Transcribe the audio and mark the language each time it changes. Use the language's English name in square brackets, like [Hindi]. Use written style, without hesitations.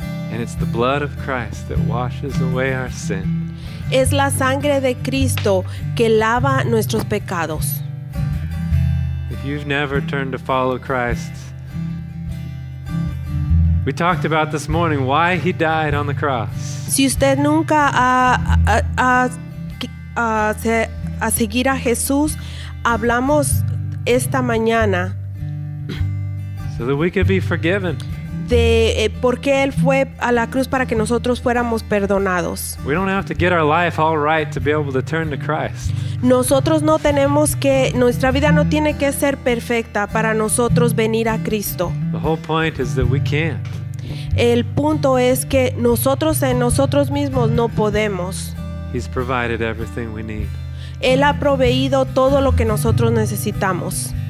[English] And it's the blood of Christ that washes away our sin. [Spanish] Es la sangre de Cristo que lava nuestros pecados. [English] If you've never turned to follow Christ, we talked about this morning why he died on the cross. [Spanish] Si usted nunca a seguir a Jesús, hablamos esta mañana. [English] So that we could be forgiven. [Spanish] De por qué él fue a la cruz para que nosotros fuéramos perdonados. [English] We don't have to get our life all right to be able to turn to Christ. [Spanish] Nosotros no tenemos que, nuestra vida no tiene que ser perfecta para nosotros venir a Cristo. [English] The whole point is that we can't. [Spanish] El punto es que nosotros en nosotros mismos no podemos. [English] He's provided everything we need. [Spanish] Él ha proveído todo lo que nosotros necesitamos.